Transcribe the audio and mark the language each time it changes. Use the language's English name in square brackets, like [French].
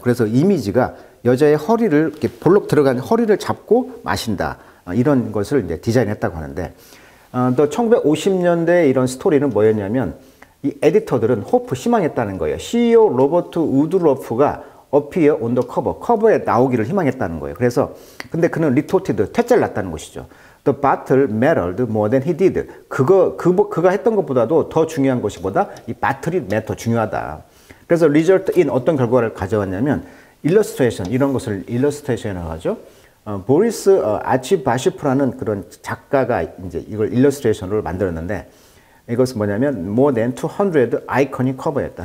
[Korean] 그래서 이미지가 여자의 허리를 이렇게 볼록 들어간 허리를 잡고 마신다 이런 것을 이제 디자인했다고 하는데 또 1950년대 이런 스토리는 뭐였냐면 이 에디터들은 호프 희망했다는 거예요. CEO 로버트 우드로프가 어피어 온 더 커버 커버에 나오기를 희망했다는 거예요. 그래서 근데 그는 리토티드 퇴짜를 났다는 것이죠. [English] The battle mattered more than he did. [Korean] 그가 했던 것보다도 더 중요한 것이 뭐다? 이 battle이 matter 중요하다. 그래서 [English] result in [Korean] 어떤 결과를 가져왔냐면 illustration 이런 것을 illustration이라고 하죠. 보리스 아치바시프라는 그런 작가가 이제 이걸 illustration으로 만들었는데 이것은 뭐냐면 [English] more than 200 iconic cover [Korean] 였다.